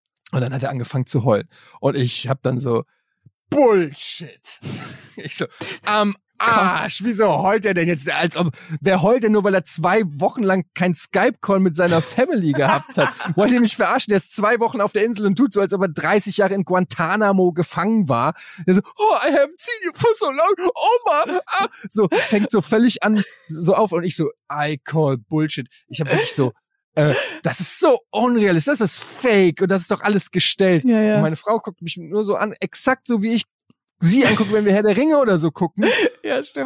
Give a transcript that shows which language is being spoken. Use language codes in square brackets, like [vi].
[de] Und dann hat er angefangen zu heulen und ich habe dann so, Bullshit. Ich so, Arsch, wieso heult er denn jetzt? Als ob, wer heult denn nur, weil er 2 Wochen lang keinen Skype-Call mit seiner Family gehabt hat? Wollt ihr mich verarschen? Der ist 2 Wochen auf der Insel und tut so, als ob er 30 Jahre in Guantanamo gefangen war. Der so, [en] oh, I haven't seen you for so long. [de] Oma! Ah. So, fängt so völlig an, so auf. Und ich so, [en] I call Bullshit. [de] Ich hab wirklich so, das ist so unrealistisch. Das ist fake. Und das ist doch alles gestellt. Ja, ja. Und meine Frau guckt mich nur so an, exakt so wie ich sie angucken, wenn wir Herr der Ringe oder so gucken. Ja, stimmt.